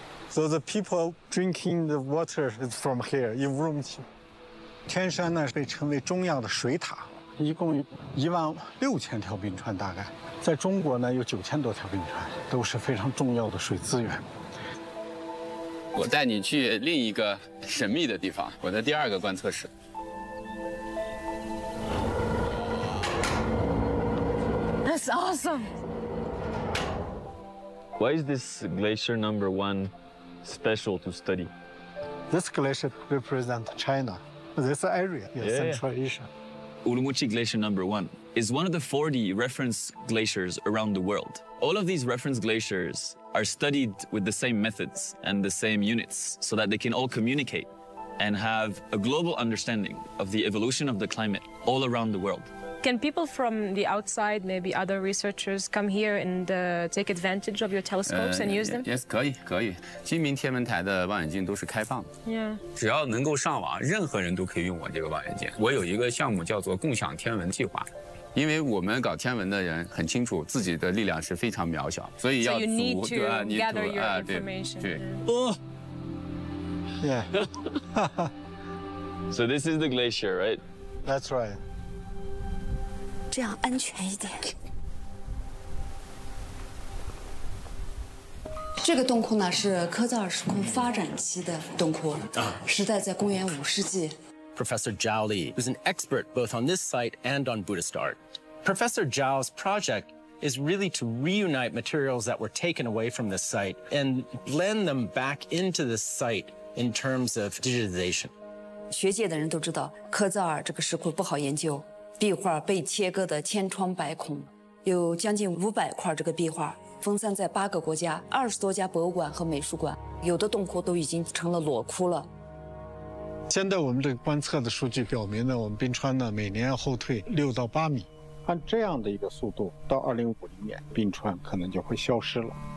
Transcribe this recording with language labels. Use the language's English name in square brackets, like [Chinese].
[English] So the people drinking the water is from here in Urumqi. [Chinese] 天山呢被称为中亚的水塔，一共16000条冰川，大概在中国呢有9000多条冰川，都是非常重要的水资源。我带你去另一个神秘的地方，我的第二个观测室。 [English] That's awesome. Why is this glacier number one special to study? This glacier represents China. This area in Central Asia. Urumqi Glacier number one is one of the 40 reference glaciers around the world. All of these reference glaciers are studied with the same methods and the same units so that they can all communicate and have a global understanding of the evolution of the climate all around the world. Can people from the outside, maybe other researchers, come here and take advantage of your telescopes and use them? Yes, [Chinese] 可以，可以。金明天文台的望远镜都是开放的。 [English] Yeah. [Chinese] 只要能够上网，任何人都可以用我这个望远镜。我有一个项目叫做共享天文计划，因为我们搞天文的人很清楚自己的力量是非常渺小，所以要组对吧？你组啊，对。对。哦。 [English] Yeah. So this is the glacier, right? That's right. [Chinese] 这样安全一点。这个洞窟呢是科赫尔时空发展期的洞窟，时代在公元5世纪。 [English] Professor Zhao Li is an expert both on this site and on Buddhist art. Professor Zhao's project is really to reunite materials that were taken away from this site and blend them back into this site in terms of digitization. [Chinese] 学界的人都知道科赫尔这个石窟不好研究。壁画被切割的千疮百孔，有将近500块这个壁画，分散在8个国家、20多家博物馆和美术馆，有的洞窟都已经成了裸窟了。现在我们这个观测的数据表明呢，我们冰川呢每年后退6到8米，按这样的一个速度，到2050年，冰川可能就会消失了。